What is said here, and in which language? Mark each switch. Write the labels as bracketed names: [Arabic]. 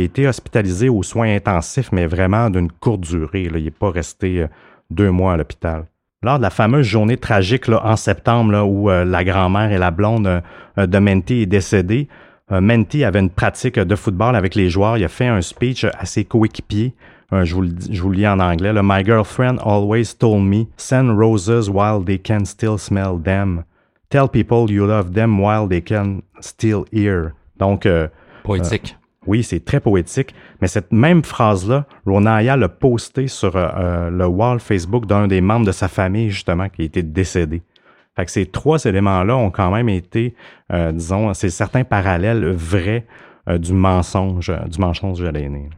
[French] Il a été hospitalisé aux soins intensifs, mais vraiment d'une courte durée. Là. Il n'est pas resté 2 mois à l'hôpital. Lors de la fameuse journée tragique là, en septembre, là, où la grand-mère et la blonde de Menti est décédée, Menti avait une pratique de football avec les joueurs. Il a fait un speech à ses coéquipiers. Je vous lis en anglais. [English] « My girlfriend always told me, send roses while they can still smell them. Tell people you love them while they can still hear. » Donc, [French] poétique. Oui, c'est très poétique. Mais cette même phrase-là, Ronaya l'a postée sur le wall Facebook d'un des membres de sa famille, justement, qui était décédé. Fait que ces trois éléments-là ont quand même été, disons, c'est certains parallèles vrais du mensonge de l'aîné.